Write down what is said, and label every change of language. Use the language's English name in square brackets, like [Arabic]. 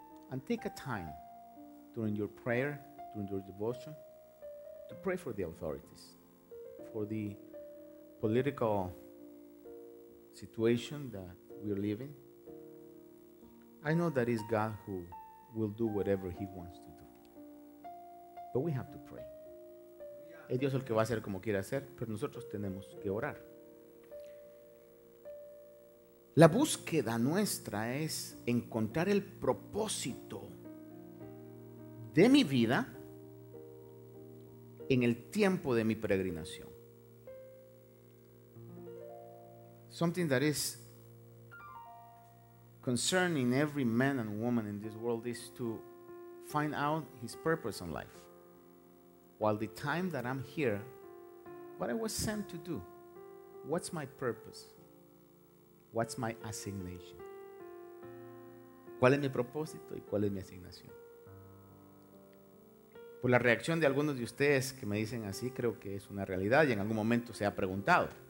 [English] And take a time during your prayer, during your devotion, to pray for the authorities, for the political situation that we are living. I know that is God who will do whatever He wants to do. But we have to pray. [Spanish] Es Dios el que va a hacer como quiere hacer, pero nosotros tenemos que orar. La búsqueda nuestra es encontrar el propósito de mi vida en el tiempo de mi peregrinación. [English] Something that is concerning every man and woman in this world is to find out his purpose in life. While the time that I'm here, what I was sent to do, what's my purpose? What's my assignation? [Spanish] ¿Cuál es mi propósito y cuál es mi asignación? Por la reacción de algunos de ustedes que me dicen así, creo que es una realidad y en algún momento se ha preguntado.